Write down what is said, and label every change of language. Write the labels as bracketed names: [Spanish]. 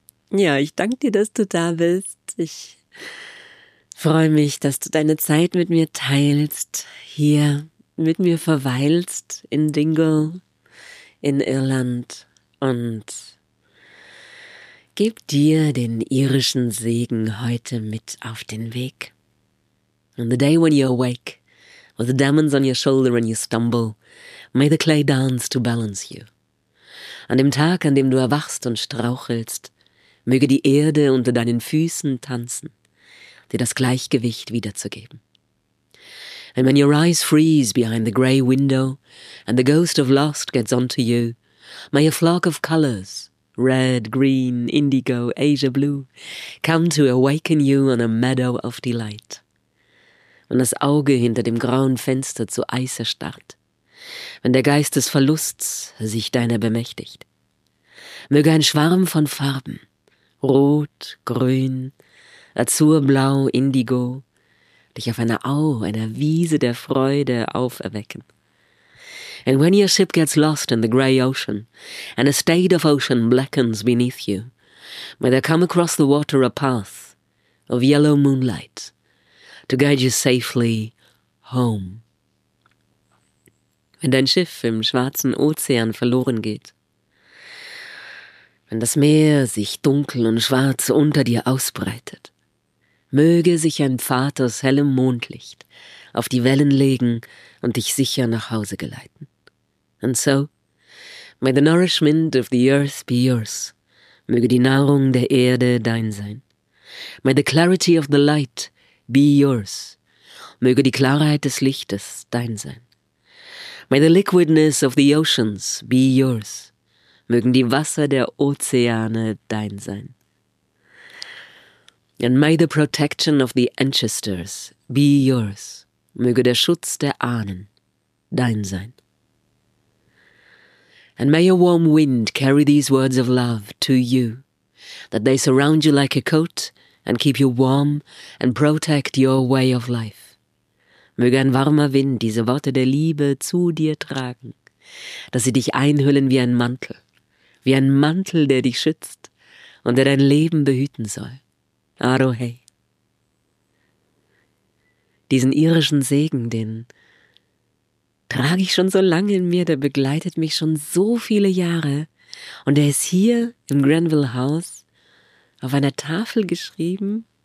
[German] Ja, ich danke dir, dass du da bist. Ich freue mich, dass du deine Zeit mit mir teilst, hier mit mir verweilst in Dingle, in Irland, und gib dir den irischen Segen heute mit auf den Weg. [English] On the day when you awake, with the diamonds on your shoulder and you stumble, may the clay dance to balance you. [German] An dem Tag, an dem du erwachst und strauchelst, möge die Erde unter deinen Füßen tanzen, dir das Gleichgewicht wiederzugeben. [English] And when your eyes freeze behind the grey window and the ghost of lust gets onto you, may a flock of colours Red, green, indigo, Asia blue, come to awaken you on a meadow of delight. [German] Wenn das Auge hinter dem grauen Fenster zu Eis erstarrt, wenn der Geist des Verlusts sich deiner bemächtigt, möge ein Schwarm von Farben, rot, grün, azurblau, indigo, dich auf einer Au, einer Wiese der Freude auferwecken. [English] And when your ship gets lost in the grey ocean, and a state of ocean blackens beneath you, may there come across the water a path of yellow moonlight to guide you safely home. [German] Wenn dein Schiff im schwarzen Ozean verloren geht, wenn das Meer sich dunkel und schwarz unter dir ausbreitet, möge sich ein Pfad aus hellem Mondlicht auf die Wellen legen und dich sicher nach Hause geleiten. [English] And so, may the nourishment of the earth be yours, [German] möge die Nahrung der Erde dein sein. [English] May the clarity of the light be yours, [German] möge die Klarheit des Lichtes dein sein. [English] May the liquidness of the oceans be yours, [German] mögen die Wasser der Ozeane dein sein. [English] And may the protection of the ancestors be yours, [German] möge der Schutz der Ahnen dein sein. [English] And may a warm wind carry these words of love to you, that they surround you like a coat and keep you warm and protect your way of life. [German] Möge ein warmer Wind diese Worte der Liebe zu dir tragen, dass sie dich einhüllen wie ein Mantel, der dich schützt und der dein Leben behüten soll. Arohe. Diesen irischen Segen, den trage ich schon so lange in mir, der begleitet mich schon so viele Jahre und der ist hier im Granville House auf einer Tafel geschrieben.